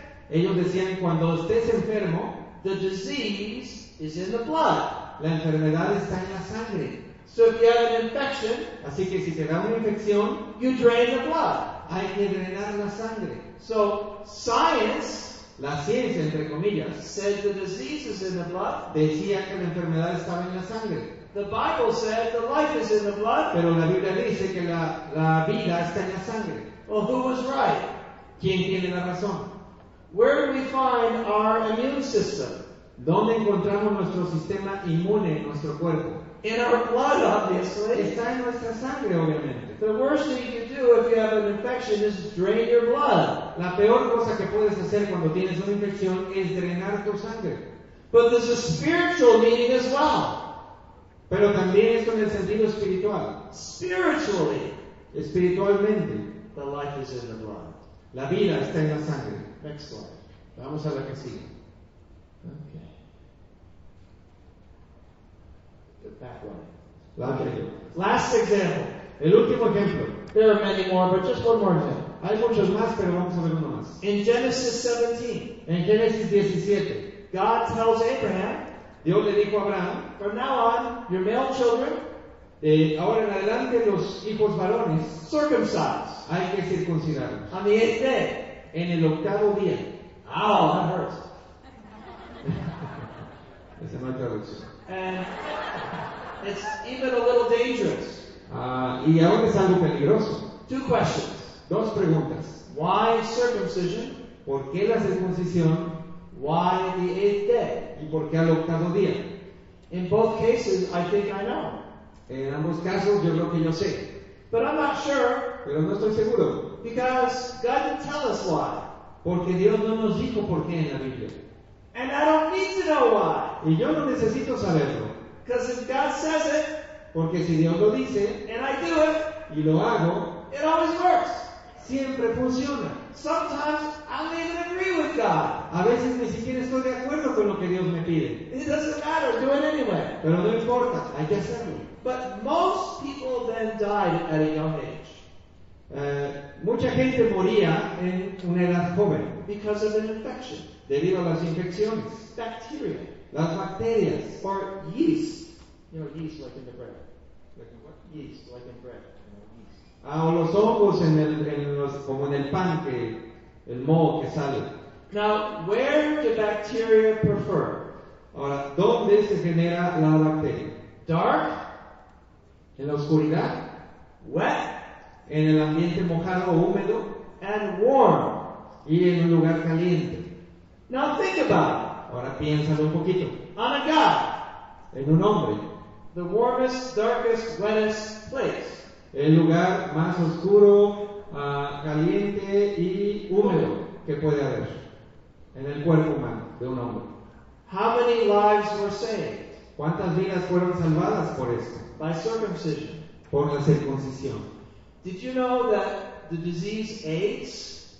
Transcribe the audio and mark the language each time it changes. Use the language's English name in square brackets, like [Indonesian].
[Spanish] ellos decían cuando estés enfermo, [English] the disease is in the blood. [Spanish] La enfermedad está en la sangre. [English] So if you have an infection, [Spanish] así que si te da una infección, [English] you drain the blood. [Spanish] Hay que drenar la sangre. [English] So science, [Spanish] la ciencia entre comillas, [English] said the disease is in the blood. [Spanish] Decía que la enfermedad estaba en la sangre. [English] The Bible said the life is in the blood. [Spanish] Pero la Biblia dice que la vida está en la sangre. [English] Well, who was right? [Spanish] ¿Quién tiene la razón? [English] Where do we find our immune system? [Spanish] ¿Dónde encontramos nuestro sistema inmune en nuestro cuerpo? [English] In our blood, obviously. [Spanish] Está en nuestra sangre, obviamente. [English] The worst thing you can do if you have an infection is drain your blood. [Spanish] La peor cosa que puedes hacer cuando tienes una infección es drenar tu sangre. [English] But there's a spiritual meaning as well. [Spanish] Pero también esto en el sentido espiritual. [English] Spiritually, [Spanish] espiritualmente, [English] the life is in the blood. [Spanish] La vida está en la sangre. [English] Next slide. [Spanish] Vamos a la que sigue. [English] Okay. That one. [Spanish] La okay. [English] Last example. [Spanish] El último ejemplo. [English] There are many more, but just one more example. [Spanish] Hay muchos más, pero vamos a ver uno más. [English] In Genesis 17. [Spanish] En Génesis 17. [English] God tells Abraham. [Spanish] Dios le dijo a Abraham, [English] from now on, your male children, [Spanish] ahora en adelante los hijos varones, [English] circumcised, [Spanish] hay que circuncidarlos. [English] On the eighth day, [Spanish] en el octavo día. [English] Ow, oh, that hurts. [Spanish] Es una traducción. [English] And it's even a little dangerous. [Spanish] Y ahora es algo peligroso. [English] Two questions. [Spanish] Dos preguntas. [English] Why circumcision? [Spanish] ¿Por qué la circuncisión? [English] Why the eighth day? [Spanish] ¿Y por qué al octavo día? [English] In both cases, I think I know. [Spanish] En ambos casos, yo creo que yo sé. [English] But I'm not sure. [Spanish] Pero no estoy seguro. [English] Because God didn't tell us why. [Spanish] Porque Dios no nos dijo por qué en la Biblia. [English] And I don't need to know why. [Spanish] Y yo no necesito saberlo. [English] Because if God says it, [Spanish] porque si Dios lo dice, [English] and I do it, [Spanish] y lo hago, [English] it always works. [Spanish] Siempre funciona. [English] Sometimes I don't even agree with God. [Spanish] A veces ni siquiera estoy de acuerdo con lo que Dios me pide. [English] It doesn't matter, do it anyway. [Spanish] Pero no importa, hay que hacerlo. [English] But most people then died at a young age. [Spanish] Mucha gente moría en una edad joven. [English] Because of an infection. [Spanish] Debido a las infecciones. [English] Bacteria. [Spanish] Las bacterias. [English] Or yeast. You know, yeast like in the bread. Like what? Yeast like in bread. [Spanish] O los hongos en el, como en el pan que el moho que sale. [English] Now, where do bacteria prefer? [Spanish] Ahora, ¿dónde se genera la bacteria? [English] Dark. [Spanish] En la oscuridad. [English] Wet. [Spanish] En el ambiente mojado o húmedo. [English] And warm. [Spanish] Y en un lugar caliente. [English] Now think about it. [Spanish] Ahora piénsalo un poquito. [English] On a God. [Spanish] En un hombre. [English] The warmest, darkest, wettest place. [Spanish] El lugar más oscuro, caliente y húmedo que puede haber en el cuerpo humano de un hombre. [English] How many lives were saved? [Spanish] ¿Cuántas vidas fueron salvadas por esto? [English] By circumcision. [Spanish] Por la circuncisión. [English] Did you know that the disease AIDS?